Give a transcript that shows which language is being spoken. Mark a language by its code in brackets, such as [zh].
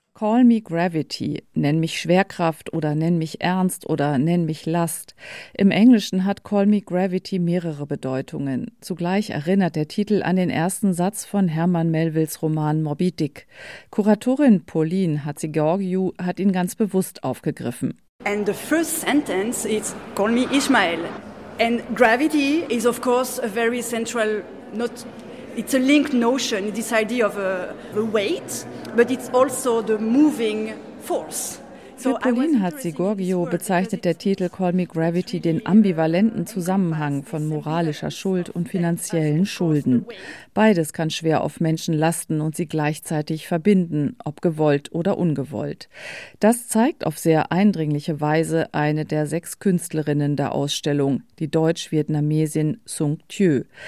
[de] Call me Gravity, nenn mich Schwerkraft oder nenn mich Ernst oder nenn mich Last. Im Englischen hat Call me Gravity mehrere Bedeutungen. Zugleich erinnert der Titel an den ersten Satz von Herman Melvilles Roman Moby Dick. Kuratorin Pauline Hatzigeorgiou hat ihn ganz bewusst aufgegriffen. [en] And the first sentence is Call me Ishmael. And gravity is of course a very central, not, it's a linked notion, this idea of a weight, but it's also the moving force. [de] Für Pauline Hatzigeorgiou bezeichnet der Titel Call Me Gravity den ambivalenten Zusammenhang von moralischer Schuld und finanziellen Schulden. Beides kann schwer auf Menschen lasten und sie gleichzeitig verbinden, ob gewollt oder ungewollt. Das zeigt auf sehr eindringliche Weise eine der sechs Künstlerinnen der Ausstellung, die Deutsch-Vietnamesin Sung Thieu.